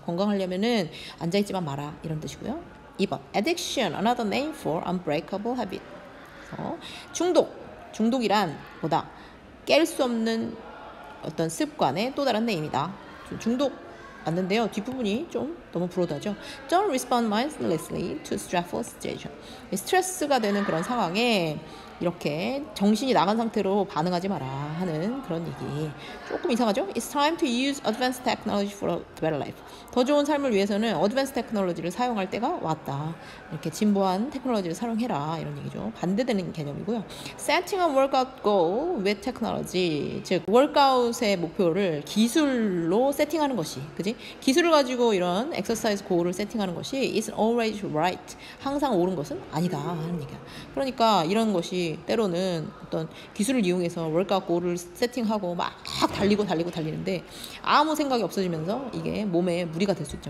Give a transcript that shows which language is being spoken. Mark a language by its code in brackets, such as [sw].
[ko] 건강하려면은 앉아있지만 마라. 이런 뜻이고요. 2번. [en] Addiction. Another name for unbreakable habit. [ko] 중독. 중독이란 뭐다? 깰수 없는 어떤 습관의 또 다른 네임이다. 중독 맞는데요. 뒷부분이 좀 너무 불어다죠. [en] Don't respond mindlessly to stressful situation. [ko] 스트레스가 되는 그런 상황에 이렇게 정신이 나간 상태로 반응하지 마라 하는 그런 얘기. 조금 이상하죠? [en] It's time to use advanced technology for a better life. [ko] 더 좋은 삶을 위해서는 [en] advanced technology를 [ko] 사용할 때가 왔다. 이렇게 진보한 technology를 사용해라. 이런 얘기죠. 반대되는 개념이고요. [en] Setting a workout goal with technology. [ko] 즉, 워크아웃의 목표를 기술로 세팅하는 것이. 그지? 기술을 가지고 이런 exercise goal을 세팅하는 것이 [en] is always right. [ko] 항상 옳은 것은 아니다. 하는 얘기야. 그러니까 이런 것이 때로는 어떤 기술을 이용해서 월가 골을 세팅하고 막 달리고 달리고 달리는데 아무 생각이 없어지면서 이게 몸에 무리가 될수 있죠.